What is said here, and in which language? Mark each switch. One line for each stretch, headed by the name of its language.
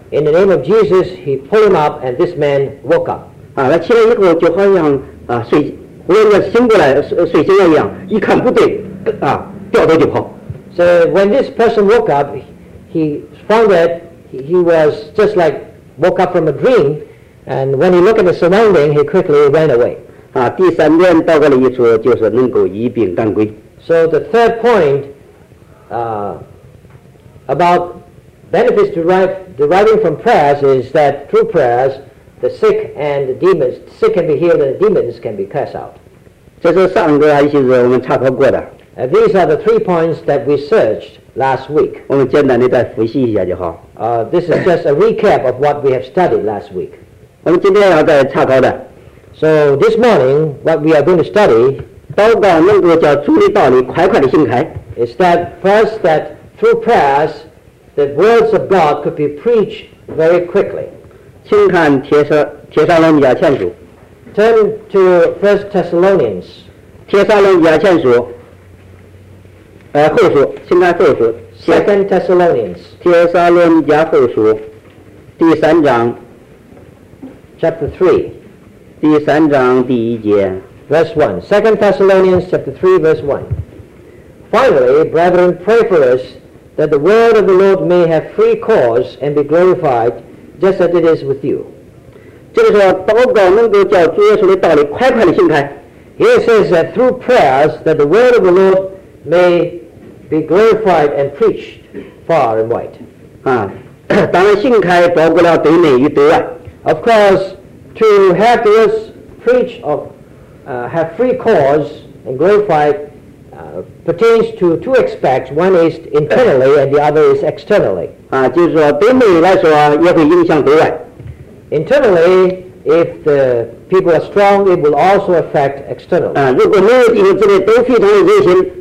English: So in the name of Jesus, he pulled him up, and this man woke up.
Chinese: 啊，他起来以后就好像啊睡，忽然间醒过来，睡醒了一样，一看不对。啊,
English: so when this person woke up, he found that he was just like woke up from a dream, and when he looked at the surrounding, he quickly ran away.
Chinese: 啊，第三点祷告的意思就是能够一病当归。
English: So the third point about benefits deriving from prayers is that through prayers, the sick and the demons, sick can be healed and the demons can be cast out.
Chinese: 这是上个星期我们查考过的。
English: These are the three points that we searched last week. This is just a recap of what we have studied last week. So this morning, what we are going to study is that first, that through prayers, the words of God could be preached very quickly. Turn to 1 Thessalonians.
Chinese: 帖撒罗尼亚前书 后书，新约后书，
English: Second Thessalonians，
Chinese: 帖撒罗尼迦后书，第三章，
English: Chapter 3，
Chinese: 第三章第一节，
English: Verse 1， Second Thessalonians Chapter 3 Verse 1， Finally, brethren, pray for us that the word of the Lord may have free course and be glorified, just as it is with you.
Chinese: 这个说祷告能够叫主耶稣的道理快快的行开。
English: He says that through prayers that the word of the Lord may be glorified and preached far and wide.
Chinese: 啊，当然信开包括了对内与对外。
English: Of course, to have the words preached of have free cause and glorified pertains to two aspects. One is internally, and the other is externally.
Chinese: 啊，就是说对内来说也会影响对外。
English: Internally, if the people are strong, it will also affect externally.
Chinese: 啊，如果每个弟兄姊妹都非常的热心。